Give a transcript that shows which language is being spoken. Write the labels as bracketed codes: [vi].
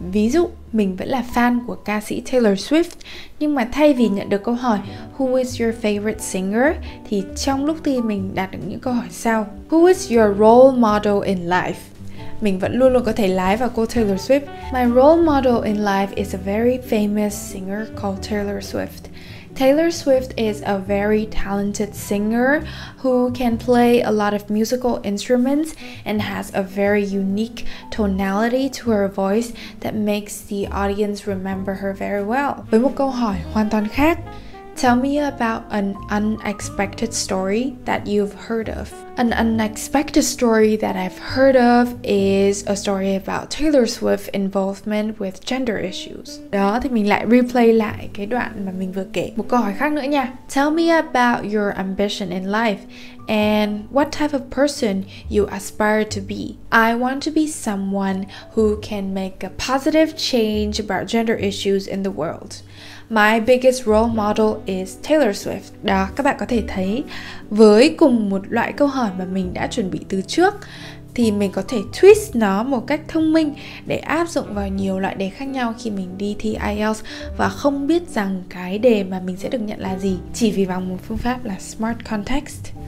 [vi] Ví dụ, mình vẫn là fan của ca sĩ Taylor Swift, nhưng mà thay vì nhận được câu hỏi [en] Who is your favorite singer? [vi] Thì trong lúc thi mình đạt được những câu hỏi sau: [en] Who is your role model in life? [vi] Mình vẫn luôn luôn có thể lái vào cô Taylor Swift. [en] My role model in life is a very famous singer called Taylor Swift. Taylor Swift is a very talented singer who can play a lot of musical instruments and has a very unique tonality to her voice that makes the audience remember her very well. [vi] Với một câu hỏi hoàn toàn khác, [en] tell me about an unexpected story that you've heard of. An unexpected story that I've heard of is a story about Taylor Swift's involvement with gender issues. [vi] Đó, thì mình lại replay lại cái đoạn mà mình vừa kể. Một câu hỏi khác nữa nha. [en] Tell me about your ambition in life and what type of person you aspire to be. I want to be someone who can make a positive change about gender issues in the world. My biggest role model is Taylor Swift. [vi] Đó, các bạn có thể thấy với cùng một loại câu hỏi mà mình đã chuẩn bị từ trước thì mình có thể twist nó một cách thông minh để áp dụng vào nhiều loại đề khác nhau khi mình đi thi IELTS và không biết rằng cái đề mà mình sẽ được nhận là gì chỉ vì bằng một phương pháp là Smart Context.